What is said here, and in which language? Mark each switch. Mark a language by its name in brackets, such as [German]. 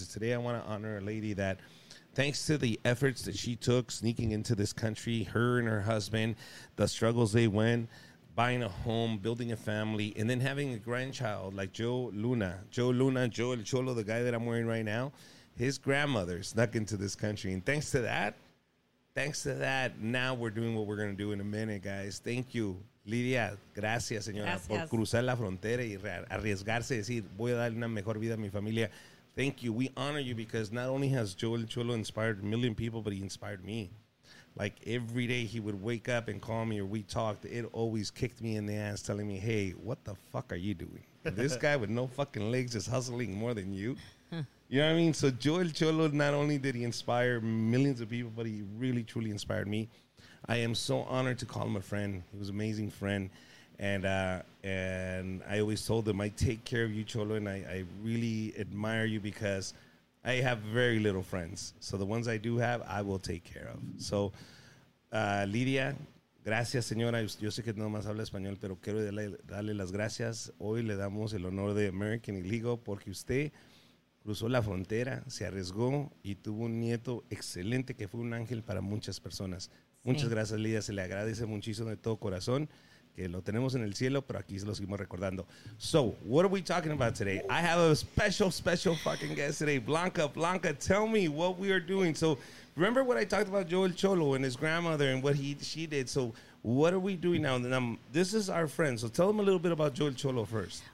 [English] So today I want to honor a lady that, thanks to the efforts that she took sneaking into this country, her and her husband, the struggles they went, buying a home, building a family, and then having a grandchild like Joe Luna, Joe El Cholo, the guy that I'm wearing right now, his grandmother snuck into this country. And thanks to that, now we're doing what we're going to do in a minute, guys. Thank you, Lidia. [Spanish] Gracias, señora, gracias por cruzar la frontera y arriesgarse y decir, voy a dar una mejor vida a mi familia. [English] Thank you. We honor you because not only has Joe El Cholo inspired a million people, but he inspired me. Like, every day he would wake up and call me or we talked, it always kicked me in the ass telling me, hey, what the fuck are you doing? This guy with no fucking legs is hustling more than you. You know what I mean? So Joe El Cholo, not only did he inspire millions of people, but he really, truly inspired me. I am so honored to call him a friend. He was an amazing friend. And I always told him, I take care of you, Cholo, and I really admire you because I have very little friends, so the ones I do have, I will take care of. So, [Spanish] Lidia, gracias, señora. Yo sé que no más habla español, pero quiero darle las gracias. Hoy le damos el honor de American Illegal porque usted cruzó la frontera, se arriesgó y tuvo un nieto excelente que fue un ángel para muchas personas. Sí. Muchas gracias, Lidia. Se le agradece muchísimo de todo corazón. Que lo tenemos en el cielo, pero aquí lo seguimos recordando. [English] So, what are we talking about today? I have a special, special fucking guest today. Blanca, tell me what we are doing. So, remember what I talked about Joe El Cholo and his grandmother and what she did. So, what are we doing now? And this is our friend. So, tell him a little bit about Joe El Cholo first.